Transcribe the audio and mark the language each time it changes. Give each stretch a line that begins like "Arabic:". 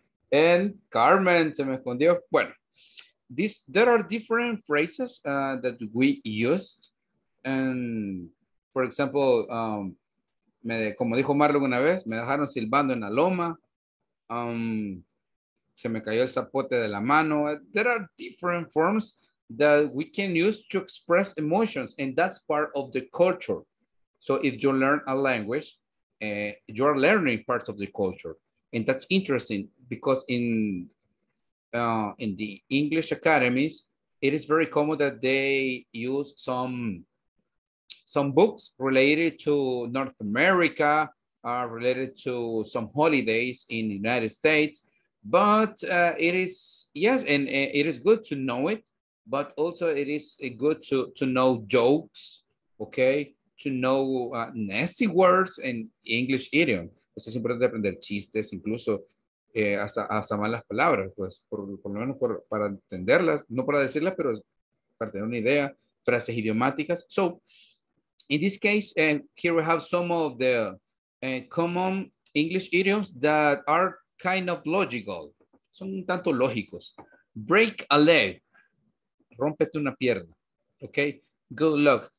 English: And Carmen
Spanish: se me escondió, bueno.
English: There are different phrases that we used. And for example,
Spanish: como dijo Marlon una vez, me dejaron silbando en la loma. se me cayó el zapote de la mano.
English: There are different forms that we can use to express emotions, and that's part of the culture. So if you learn a language, you're learning parts of the culture. And that's interesting because in the English academies, it is very common that they use some books related to North America, related to some holidays in the United States. But it is, yes, and it is good to know it, but also it is good to know jokes, okay? To know nasty words in English idiom.
Spanish: Pues es importante aprender chistes, incluso hasta malas palabras, pues por lo menos para entenderlas, no para decirlas, pero para tener una idea, frases idiomáticas.
English: So, in this case, here we have some of the common English idioms that are kind of logical.
Spanish: Son un tanto lógicos.
English: Break a leg.
Spanish: Rómpete una pierna.
English: Okay? Good luck.